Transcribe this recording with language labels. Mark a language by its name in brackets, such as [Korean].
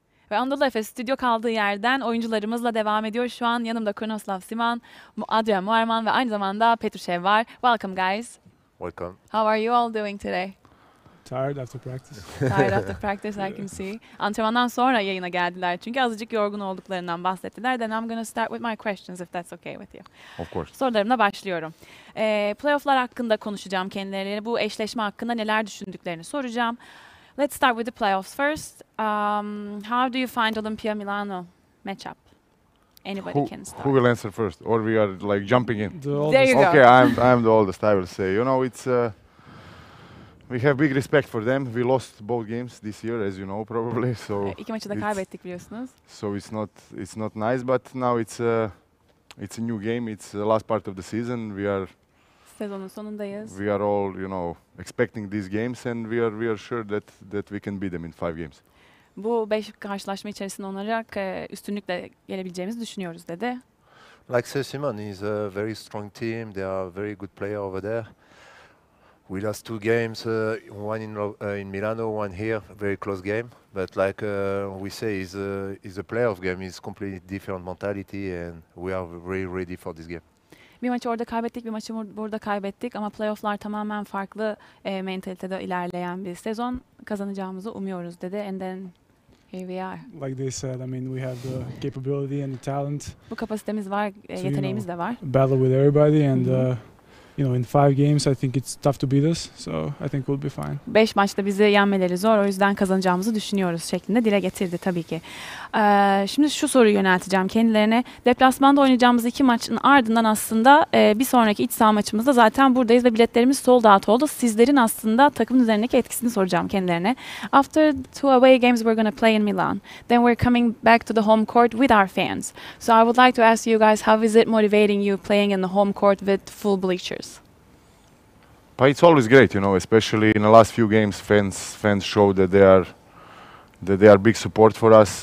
[Turkish] Ve Anadolu Efes stüdyo kaldığı yerden oyuncularımızla devam ediyor. Şu an yanımda Kronoslav Simon, Adrian Muarman ve aynı zamanda Petrushev var. [English] Welcome guys. Welcome. How are you all doing today? Tired after practice. Tired after practice, I can see. [Turkish] Antrenmandan sonra yayına geldiler çünkü azıcık yorgun olduklarından bahsettiler. [English] Then I'm going to start with my questions if that's okay with you. Of course. [Turkish] Sorularımla başlıyorum. Playoff'lar hakkında konuşacağım kendilerine. Bu eşleşme hakkında neler düşündüklerini soracağım. [English] Let's start with the playoffs first. How do you find Olympia Milano matchup? Anybody can start. Who will answer first, or we are like jumping in? The oldest. There you go. Okay, I'm the oldest. I will say. You know, it's we have big respect for them. We lost both games this year, as you know, probably. So. [Turkish] İki maçı da kaybettik biliyorsunuz. [English] So it's not nice, but now it's a new game. It's the last part of the season. We are. [Turkish] Sezonun sonundayız. [English] We are all, you know, expecting these games and we are sure that we can beat them in 5 games. [Turkish] Bu 5 karşılaşma içerisinde olarak üstünlükle gelebileceğimizi düşünüyoruz dedi. [English] Like Sir Simon is a very strong team. They are very good player over there. We lost 2 games, one in Milano, one here, very close game, but like we say is a playoff game, is completely different mentality and we are very ready for this game. [Turkish] Bir maçı orada kaybettik, bir maçı burada kaybettik ama playofflar tamamen farklı mentalitede ilerleyen bir sezon. Kazanacağımızı umuyoruz dedi. [English] And then here we are. Like they said, I mean, we have the capability and the talent. [Turkish] Bu kapasitemiz var, yeteneğimiz de var. [English] Battle with everybody and you know, in 5 games I think it's tough to beat us. So I think we'll be fine. [Turkish] 5 maçta bizi yenmeleri zor. O yüzden kazanacağımızı düşünüyoruz şeklinde dile getirdi tabii ki. Şimdi şu soruyu yönelteceğim kendilerine. Deplasmanda oynayacağımız 2 maçın ardından aslında bir sonraki iç saha maçımızda zaten buradayız ve biletlerimiz sold out oldu. Sizlerin aslında takımın üzerindeki etkisini soracağım kendilerine. [English] After 2 away games we're going to play in Milan. Then we're coming back to the home court with our fans. So I would like to ask you guys, how is it motivating you playing in the home court with full bleachers? But it's always great, you know, especially in the last few games, fans show that they are big support for us.